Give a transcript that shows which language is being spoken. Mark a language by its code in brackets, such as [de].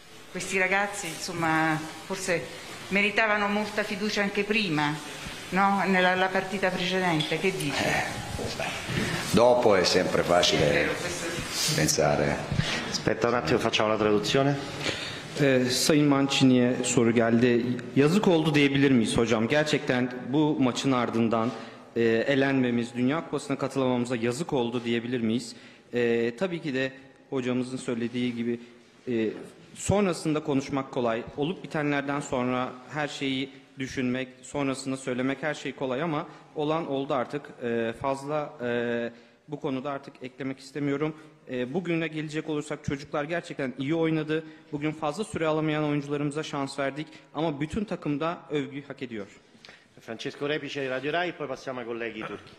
[it] Questi ragazzi, insomma, forse meritavano molta fiducia anche prima, no? Nella partita precedente, che dici? Dopo è sempre facile pensare. Aspetta un attimo, facciamo la traduzione. [tr] Sayın Mancini'ye soru geldi. Yazık oldu diyebilir miyiz hocam? Gerçekten bu maçın ardından elenmemiz, Dünya Kupası'na katılamamıza yazık oldu diyebilir miyiz? Tabii ki de hocamızın söylediği gibi sonrasında konuşmak kolay. Olup bitenlerden sonra her şeyi düşünmek, sonrasında söylemek her şey kolay ama olan oldu artık. Fazla bu konuda artık eklemek istemiyorum. Bugüne gelecek olursak çocuklar gerçekten iyi oynadı. Bugün fazla süre alamayan oyuncularımıza şans verdik ama bütün takım da övgüyü hak ediyor. [it] Francesco Repice di Radio Rai, poi passiamo ai colleghi turchi.